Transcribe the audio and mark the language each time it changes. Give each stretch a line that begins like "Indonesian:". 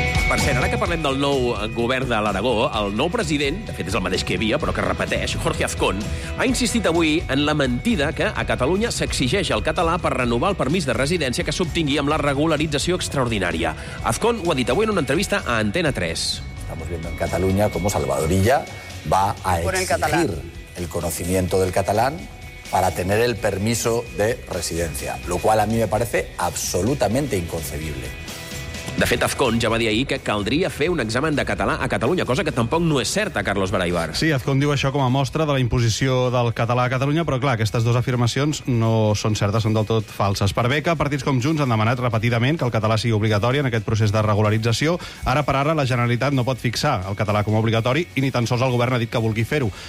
Catalan: Per cert, ara que parlem del nou govern de l'Aragó, el nou president, de fet és el mateix que hi havia, però que repeteix, Jorge Azcón, ha insistit avui en la mentida que a Catalunya s'exigeix al català per renovar el permís de residència que s'obtingui amb la regularització extraordinària. Azcón ho ha dit avui en una entrevista a Antena 3.
Spanish: Estamos viendo en Cataluña cómo Salvadorilla va a exigir el conocimiento del catalán para tener el permiso de residencia, lo cual a mí me parece absolutamente inconcebible.
Catalan: De fet, Azcón ja va dir ahir que caldria fer un examen de català a Catalunya, cosa que tampoc no és certa, Carlos Baraibar. Sí, Azcón diu això com a mostra de la imposició del català a Catalunya, però clar, aquestes dues afirmacions no són certes, són del tot falses. Per bé que partits com Junts han demanat repetidament que el català sigui obligatori en aquest procés de regularització, ara per ara la Generalitat no pot fixar el català com a obligatori i ni tan sols el govern ha dit que vulgui fer-ho.